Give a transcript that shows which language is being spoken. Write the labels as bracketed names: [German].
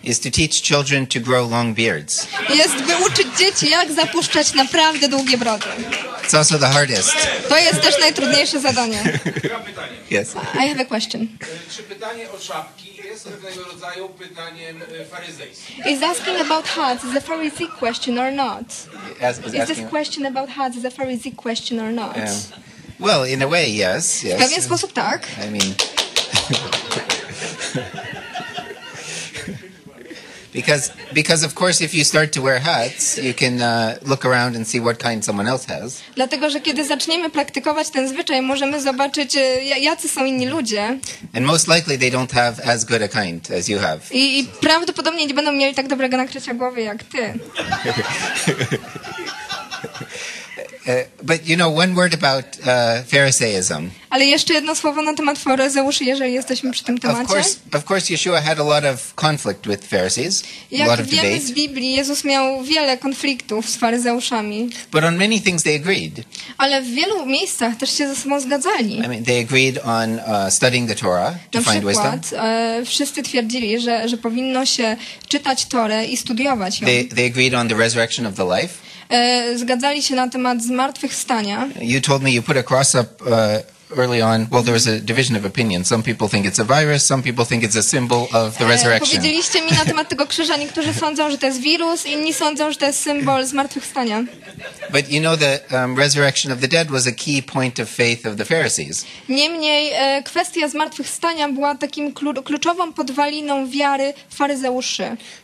[English] is to teach children to grow long beards. [Polish] Jest, by uczyć dzieci, jak zapuszczać naprawdę długie brody. [English] It's also the hardest. [Polish] To jest też najtrudniejsze zadanie. [English] Yes. I have a question. [Polish] Czy pytanie o szapki jest pewnego rodzaju pytaniem faryzejskim? [English] Is asking about hats is a Pharisee question or not? Is this question about hats is a Pharisee question or not? Well, in a way, yes. [Polish] W pewien sposób tak. [English] I mean. Because of course if you start to wear hats, you can look around and see what kind someone else has. [Polish] Dlatego, że kiedy zaczniemy praktykować ten zwyczaj, możemy zobaczyć, jacy są inni ludzie. [English] And most likely they don't have as good a kind as you have. [Polish] I prawdopodobnie nie będą mieli tak dobrego nakrycia głowy jak ty. [English] But you know, one word about Pharisaism. [Polish] Ale jeszcze jedno słowo na temat faryzeuszy, jeżeli jesteśmy przy tym temacie. [English] Of course, Yeshua had a lot of conflict with Pharisees, [Polish] jak [English] a lot of [Polish] wiemy [English] debate. [Polish] Z Biblii, Jezus miał wiele konfliktów z faryzeuszami. [English] But on many things they agreed. [Polish] Ale w wielu miejscach też się ze sobą zgadzali. [English] I mean, they agreed on studying the Torah to [Polish] na [English] find [Polish] przykład, [English] wisdom. [Polish] Wszyscy twierdzili, że powinno się czytać Torę i studiować ją. [English] They agreed on the resurrection of the life. [Polish] Zgadzali się na temat zmartwychwstania. [English] You told me you put a cross up early on. Well, there was a division of opinion. Some people think it's a virus, some people think it's a symbol of the resurrection. [Polish] Powiedzieliście mi na temat tego krzyża. Niektórzy sądzą, że to jest wirus, inni sądzą, że to jest symbol zmartwychwstania. [English] But you know the resurrection of the dead was a key point of faith of the Pharisees. [Polish] Niemniej kwestia zmartwychwstania była takim kluczową podwaliną wiary faryzeuszy.